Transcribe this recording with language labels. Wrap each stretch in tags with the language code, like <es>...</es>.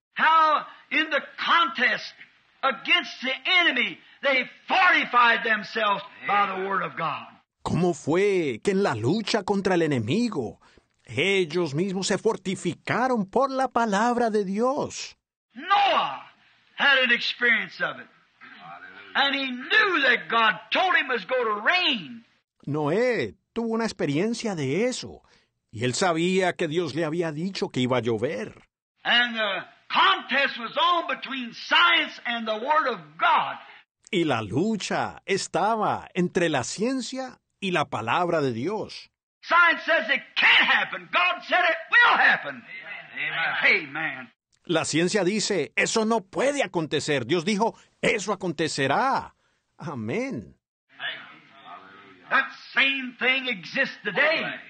<en>How in the contest against the enemy they fortified themselves by the word of God.</en> <es>¿Cómo fue que en la lucha contra el enemigo ellos mismos se fortificaron por la palabra de Dios?</es> <en>Noah had an experience of it. And he knew that God told him to go to rain.</en> <es>Noé tuvo una experiencia de eso. Y él sabía que Dios le había dicho que iba a llover.</es> <en>And the contest was on between science and the word of God.</en> <es>Y la lucha estaba entre la ciencia y la palabra de Dios.</es> <en>Science says it can't happen. God said it will happen. Amen.</en> <es>La ciencia dice, eso no puede acontecer. Dios dijo, eso acontecerá. Amén.</es> <en>That same thing exists today.</en>